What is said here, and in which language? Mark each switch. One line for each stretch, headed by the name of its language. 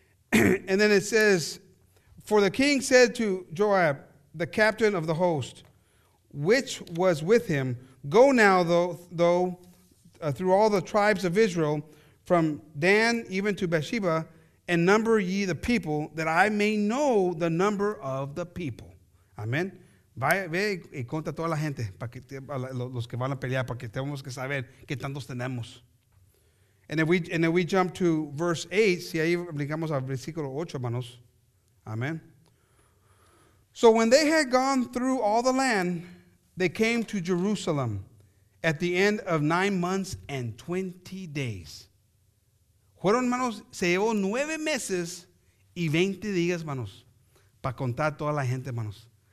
English: And then it says, for the king said to Joab, the captain of the host, which was with him, go now, though through all the tribes of Israel, from Dan even to Beersheba, and number ye the people, that I may know the number of the people. Amen.
Spanish: Vaya, ve y cuenta toda la gente, los que van a pelear, para que tengamos que saber qué tantos tenemos.
English: And then we jump to verse 8.
Spanish: Si ahí brincamos al versículo 8, hermanos.
English: Amen. So when they had gone through all the land, they came to Jerusalem at the end of 9 months and 20 days.
Spanish: Fueron, hermanos, se llevó 9 meses y 20 días, hermanos, para contar toda la gente, hermanos.